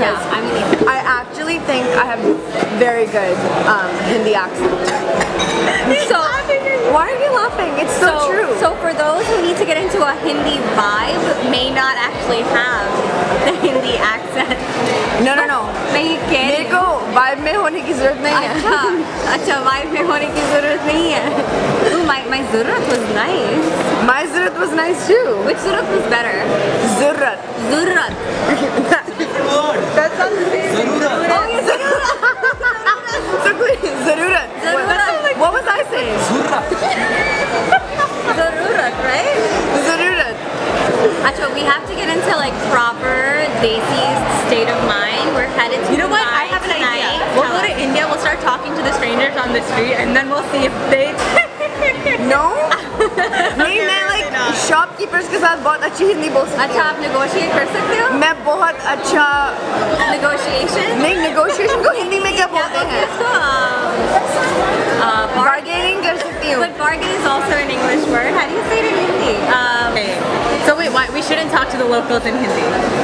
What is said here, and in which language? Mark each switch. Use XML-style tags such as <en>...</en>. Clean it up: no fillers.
<en>yeah, I'm in. I actually think I have very good Hindi accent. So, why are you laughing? It's so, so true. So for those who need to get into a Hindi vibe, may not actually have the Hindi accent. No, no, no. Are you kidding?</en> <hi>मेरे को vibe में होने की ज़रूरत नहीं है. अच्छा, अच्छा vibe में होने की ज़रूरत नहीं है.</hi> <en>Ooh, my zurrat was nice. My zurrat was nice too. Which zurrat was better? Zurrat. Zurrat. That sounds amazing. Zurrat. Oh, yeah, zurrat. So please, zurrat. Zurrat. What was I saying? Zurrat. Zurrat, right? Zurrat. Acho, we have to get into like proper Desi state of mind. We're headed to Mumbai. You know what? I have an idea. We'll go to India. We'll start talking to the strangers on the street, and then we'll see if they. No.</en> <hi>नहीं मैं like shopkeepers के साथ बहुत अच्छी हिंदी बोल सकती हूँ. अच्छा आप negotiate कर सकते हो? मैं बहुत अच्छा</hi> <en>negotiation.</en> <hi>नहीं negotiation को हिंदी में क्या बोलते हैं? Bargaining कर सकती हूँ.</hi> <en>But bargain is also an English word. How do you say it in Hindi? So wait, why we shouldn't talk to the locals in Hindi?</en>